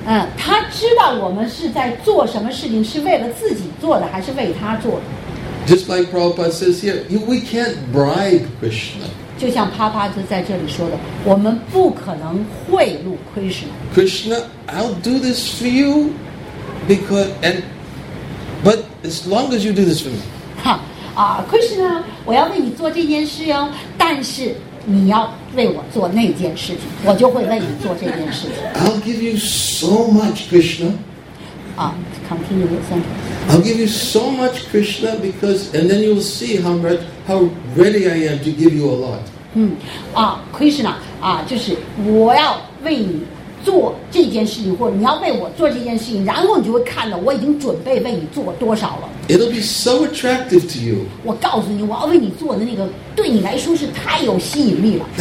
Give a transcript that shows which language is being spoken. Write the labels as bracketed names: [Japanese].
[English] Just like Prabhupada says here, we can't bribe Krishna. Krishna, I'll do this for you but as long as you do this for me. [Chinese] Krishna, 我要为你做这件事哦, 但是你要为我做那件事情, 我就会为你做这件事情。 [English] I'll give you so much, Krishna. Continue your sentence. I'll give you so much, Krishna, and then you'll see how ready I am to give you a lot. [Chinese] Krishna, 就是我要为你做这件事情，或者你要为我做这件事情，然后你就会看到我已经准备为你做多少了。 [English] It'll be so attractive to you. [Chinese] 我告诉你，我要为你做的那个，对你来说是太有吸引力了。